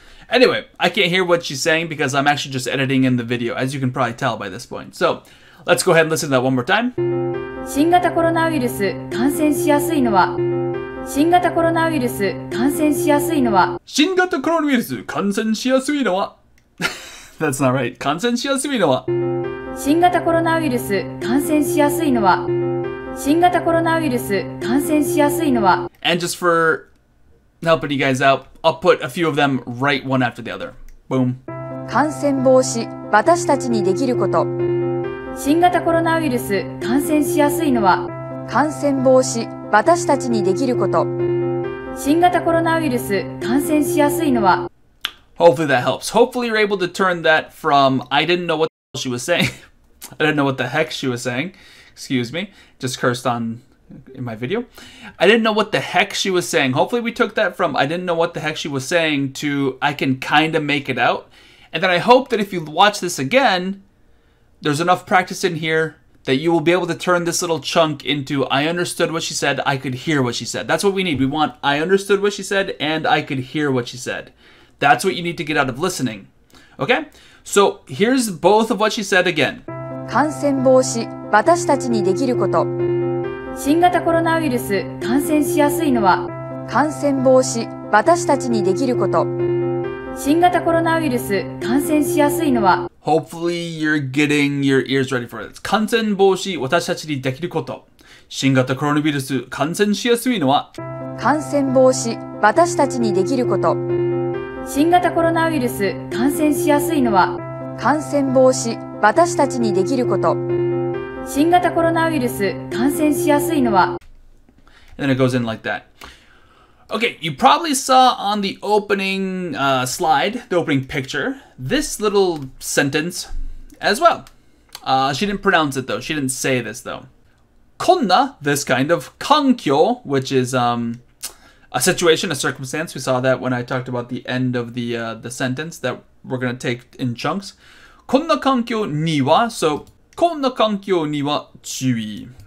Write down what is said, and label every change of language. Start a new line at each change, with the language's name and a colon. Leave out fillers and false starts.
English: Anyway, I can't hear what she's saying because I'm actually just editing in the video, as you can probably tell by this point. So Let's go ahead and listen to that one more time.
Japanese: 新型コロナウイルス感染しやすいのは新型コロナウイルス感染しやすいのは新型コロナウイルス感染しやすいのは
English: That's not right.
Japanese: 感染しやすいのは新型コロナウイルス感染しやすいのは新型コロナウイルス感染しやすいのは
English: And just for helping you guys out, I'll put a few of them right one after the other. Boom.
Japanese: 感染防止、私たちにできること新型コロナウイルス感染しやすいのは感染防止、私たちにできること新型コロナウイルス感染しやすいのは
English: Hopefully that helps. Hopefully you're able to turn that from I didn't know what the hell she was saying. I didn't know what the heck she was saying. Excuse me. Just cursed on in my video. I didn't know what the heck she was saying. Hopefully we took that from I didn't know what the heck she was saying to I can kind of make it out. And then I hope that if you watch this again, there's enough practice in here that you will be able to turn this little chunk into I understood what she said. I could hear what she said. That's what we need. We want I understood what she said and I could hear what she said. That's what you need to get out of listening. Okay? So here's both of what she said again.
Japanese: 感染防止、私たちにできること。新型コロナウイルス、感染しやすいのは、感染防止、私たちにできること。新型コロナウイルス、感染しやすいのは、
English: Hopefully you're getting your ears ready for it.
Japanese: 感染防止、私たちにできること。新型コロナウイルス、感染しやすいのは、感染防止、私たちにできること。新型コロナウイルス、感染しやすいのは、感染防止、私たちにできること。新型コロナウイルス、感染しやすいのは。
English: And then it goes in like that. Okay, you probably saw on the opening, slide, the opening picture, this little sentence as well. She didn't pronounce it though. She didn't say this though. こんな、this kind of, 環境, which is, a situation, a circumstance. We saw that when I talked about the end of the sentence that we're going to take in chunks.
Japanese: こんな環境には、so, こんな環境には注意。